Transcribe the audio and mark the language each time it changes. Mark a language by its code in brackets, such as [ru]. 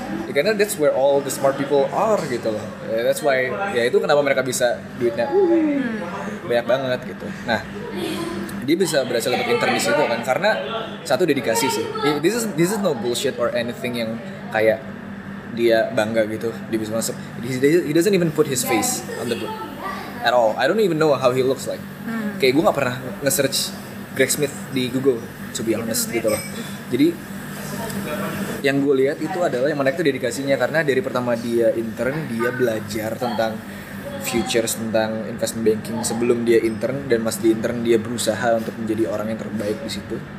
[en] Ya, karena that's where all the smart people are gitu loh. That's why, [id] ya itu kenapa mereka bisa duitnya banyak banget gitu. Nah, dia bisa berhasil dapet intern di situ kan, karena satu dedikasi sih. [en] This is no bullshit or anything [id] yang kayak dia bangga gitu, dia bisa masuk. [en] He doesn't even put his face on the book. At all, I don't even know how he looks like. [id] Kayak gue gak pernah nge-search Greg Smith di Google, [en] to be honest [id] gitu loh. Jadi yang gue lihat itu adalah yang menarik itu dedikasinya, karena dari pertama dia intern dia belajar tentang futures, tentang investment banking sebelum dia intern, dan pas di intern dia berusaha untuk menjadi orang yang terbaik di situ.